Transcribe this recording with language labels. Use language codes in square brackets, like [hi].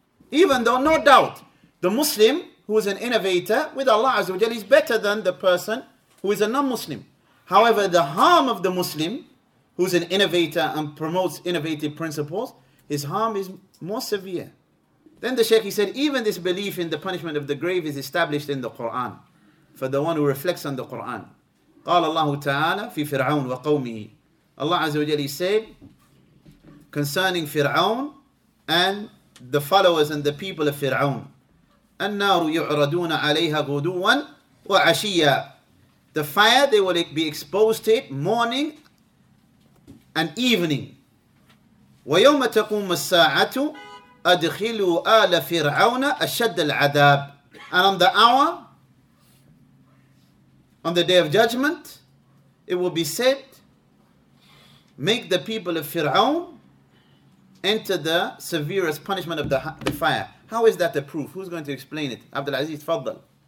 [en] Even though, no doubt, the Muslim who is an innovator with Allah Azza wa Jalla is better than the person who is a non-Muslim. However, the harm of the Muslim who's an innovator and promotes innovative principles, his harm is more severe. Then the Shaykh, he said, even this belief in the punishment of the grave is established in the Quran. For the one who reflects on the Quran. [ar] قال الله تعالى في فرعون وقومه. [en] Allah Azza wa Jalla said concerning Fir'aun and the followers and the people of Fir'aun. [ar] النار يعرضون عليها غدوا وعشيا. [en] The fire, they will be exposed to it morning and evening. [ar] ويوم تقوم الساعة أدخلوا آل فرعون أشد العذاب. [en] And on the hour, on the day of judgment, it will be said, make the people of Fir'aun enter the severest punishment of the fire. How is that a proof? Who's going to explain it? Abdul Aziz, Fadl.